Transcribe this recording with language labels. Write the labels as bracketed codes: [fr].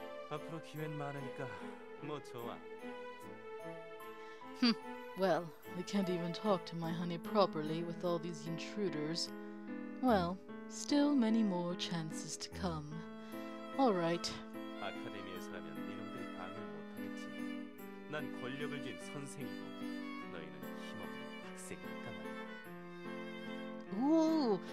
[ko] 앞으로 기회는 많으니까 뭐 좋아. [en] Well, we can't even talk to my honey properly with all these intruders. Well, still many more chances to come. All right. [ko] 아카데미에서라면 니놈들이 방을 못 하겠지. 난 권력을 쥔 선생이고 너희는 힘없는 학생이니까 말이야.